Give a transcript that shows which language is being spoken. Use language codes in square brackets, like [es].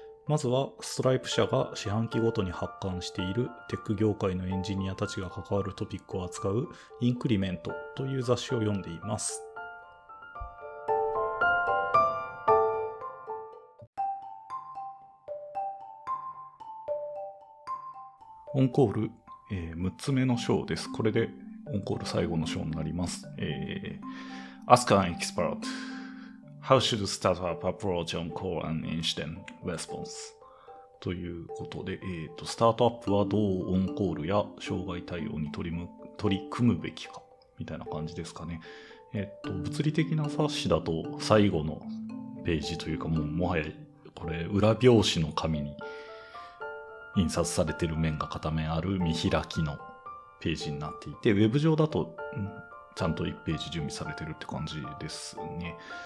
[ja] まずはストライプ社が四半期ごとに発刊しているテック業界のエンジニアたちが関わるトピックを扱うインクリメントという雑誌を読んでいます。オンコール、6つ目の章です。これでオンコール最後の章になります。 [en] Ask an expertHow should startup approach on call and instant response? [ja] ということで、スタートアップはどうオンコールや障害対応に取り組むべきかみたいな感じですかね。物理的な冊子だと最後のページというか、もうもはやこれ裏表紙の紙に印刷されている面が片面ある見開きのページになっていて、ウェブ上だとちゃんと1ページ準備されてるって感じですね。